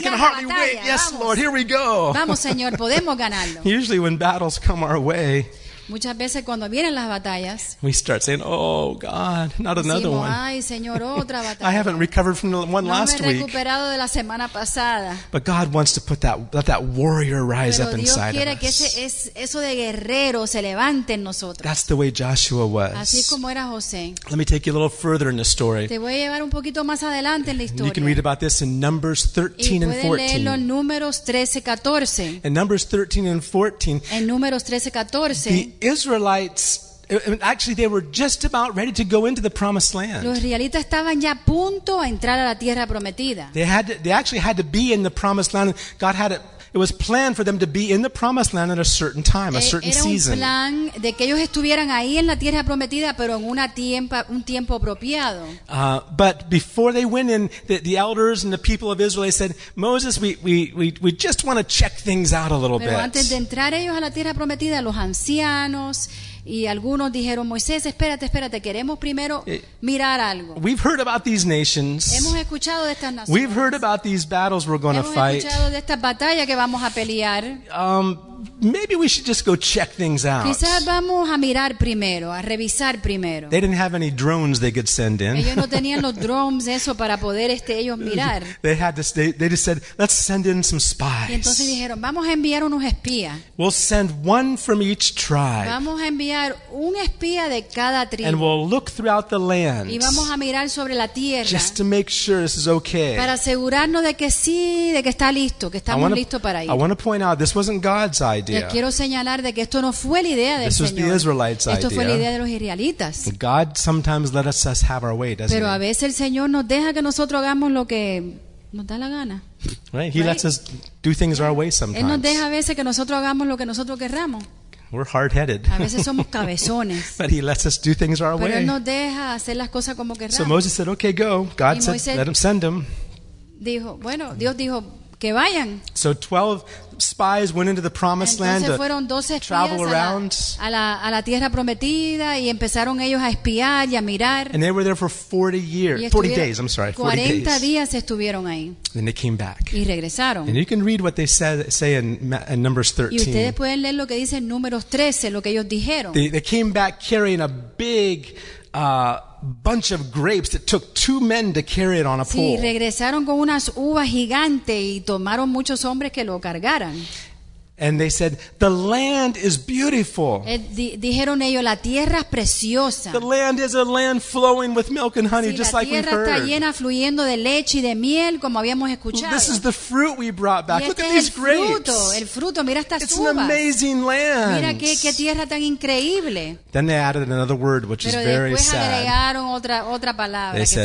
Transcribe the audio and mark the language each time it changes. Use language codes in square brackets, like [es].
[en] I can hardly [es] la batalla. [en] Wait. Yes, [es] vamos. [en] Lord, here we go. [es] Vamos, Señor, podemos ganarlo. [en] Usually when battles come our way, [es] muchas veces cuando vienen las batallas, [en] we start saying, "Oh God, not another [es] decimos, [en] one." [es] Ay, Señor, otra batalla. [en] I haven't recovered from the one [es] no [en] last week. [es] No me he recuperado de la semana pasada. [en] But God wants to put let that warrior rise [es] pero [en] up [es] Dios [en] inside of us. [es] Pero Dios quiere que eso de guerrero se levante en nosotros. [en] That's the way Joshua was. [es] Así como era José. [en] Let me take you a little further in the story. [es] Te voy a llevar un poquito más adelante en la historia. [en] And you can read about this in Numbers 13 and 14. [es] Y puedes leerlo en Números 13-14. [en] In Numbers 13 and 14. [es] En Números 13-14. [en] Israelites, actually they were just about ready to go into the promised land. [es] Los israelitas estaban ya a punto a entrar a la tierra prometida. [en] They actually had to be in the promised land. God had it It was planned for them to be in the promised land at a certain time, a certain season. [es] Era un plan de que ellos estuvieran ahí en la tierra prometida, pero en un tiempo apropiado. [en] But before they went in, the elders and the people of Israel, they said, Moses, we just want to check things out a little bit. [es] Pero antes de entrar ellos a la tierra prometida, los ancianos y algunos dijeron, Moisés, espérate, queremos primero mirar algo. [en] We've heard about these nations. [es] Hemos escuchado de estas naciones. [en] We've heard about these battles we're going to fight. [es] Hemos escuchado de estas batallas que vamos a pelear. [en] Maybe we should just go check things out. [es] Quizás vamos a mirar primero, a revisar primero. [en] They didn't have any drones they could send in. [es] Ellos no tenían los drones eso para poder ellos mirar. [en] They had this, they just said, let's send in some spies. [es] Y entonces dijeron, vamos a enviar unos espías. [en] We'll send one from each tribe. [es] Vamos a enviar un espía de cada tribu. [en] And we'll look throughout the land. [es] Y vamos a mirar sobre la tierra. [en] Just to make sure this is okay. [es] Para asegurarnos de que sí, de que está listo, que estamos listos para ir. [en] I want to point out this wasn't God's idea. [es] Y quiero señalar de que esto no fue la idea del Señor. Esto fue la idea de los israelitas. [en] God sometimes lets us have our way, doesn't he? [es] Pero a veces el Señor nos deja que nosotros hagamos lo que nos da la gana. [en] Right? He lets us do things our way sometimes. [es] Él nos deja a veces que nosotros hagamos lo que nosotros querramos. [en] We're hard-headed. [es] A veces somos cabezones. [en] But he lets us do things our way. [es] Pero él nos deja hacer las cosas como querramos. [en] So Moses said, "Okay, go." God said, "Let him send him." [es] Dijo, bueno, Dios dijo que vayan. [en] So 12 spies went into the promised land to travel around. [es] A la tierra prometida y empezaron ellos a espiar y a mirar. [en] And they were there for 40 days. [es] Estuvieron ahí. [en] Then they came back. [es] Y regresaron. [en] And you can read what they said, say in Numbers 13. [es] Y ustedes pueden leer lo que dice en Números 13, lo que ellos dijeron. [en] They came back carrying a big bunch of grapes that took two men to carry it on a pole. [es] Sí, regresaron con unas uvas gigantes y tomaron muchos hombres que lo cargaran. [en] And they said, "The land is beautiful." [es] Dijeron ellos, la tierra es preciosa. [en] The land is a land flowing with milk and honey, [es] sí, [en] just like we heard. [es] La tierra está llena, fluyendo de leche y de miel, como habíamos escuchado. [en] This is the fruit we brought back. Look at these grapes. [es] El fruto. Mira estas [en] it's [es] uvas. [en] It's an amazing land. [es] Mira qué tierra tan increíble. [en] Then they added another word, which [es] pero [en] is very sad. [es] Pero después agregaron otra palabra [en] they [es] que [en] said,